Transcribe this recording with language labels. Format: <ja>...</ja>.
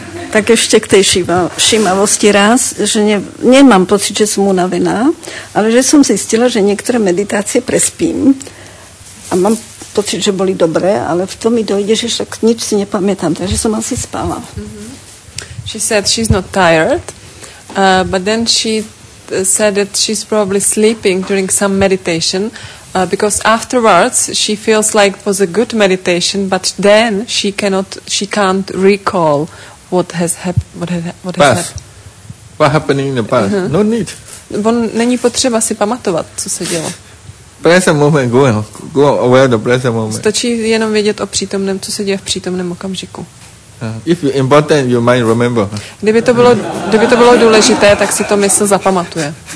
<cs>Tak ještě k té všímavosti raz, že nemám pocit, že jsem unavená, ale že jsem zjistila, že některé meditace prespím a mám pocit, že byly dobré, ale v tom mi dojde, že však nic si nepamětám, takže jsem asi spala.</cs> <en>She said she's not tired, but then she said that she's probably sleeping during some meditation, because afterwards she feels like it was a good meditation, but then she can't recall what happened in the past. Uh-huh. No need.</en> <cs>On není potřeba si pamatovat, co se dělo.</cs> <en>Present moment, go aware the present moment.</en> <cs>Stačí jenom vědět o přítomném, co se děje v přítomném okamžiku.</cs> <en>If important, you might remember.</en> <cs>Kdyby to bylo důležité, tak si to mysl zapamatuje.</cs>